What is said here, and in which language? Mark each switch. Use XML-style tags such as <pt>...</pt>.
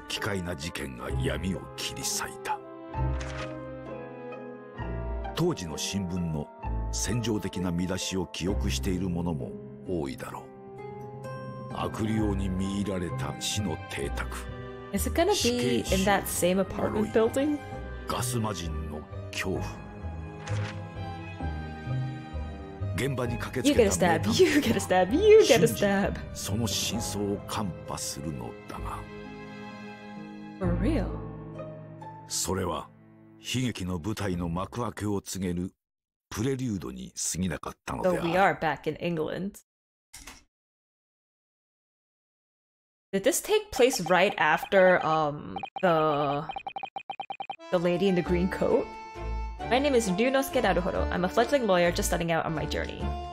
<ja>奇怪な事件が闇を切り裂いた。当時の新聞の戦場的な見出しを記憶している者も多いだろう。悪霊に見入られた死の邸宅。</ja> <en>Is it gonna be in that same apartment building?</en> <ja>ガス魔人の恐怖。現場に駆けつけた。</ja> <en>You get a stab.</en> <ja>その真相を看破するのだが。</ja> <en>For real?</en> <ja>それは 悲劇の舞台の幕開けを告げるプレリュードに過ぎなかったのである。</ja> <en>Though we are back in England. Did this take place right after the lady in the green coat? My name is Ryunosuke Naruhodo. I'm a fledgling lawyer just starting out on my journey.</en>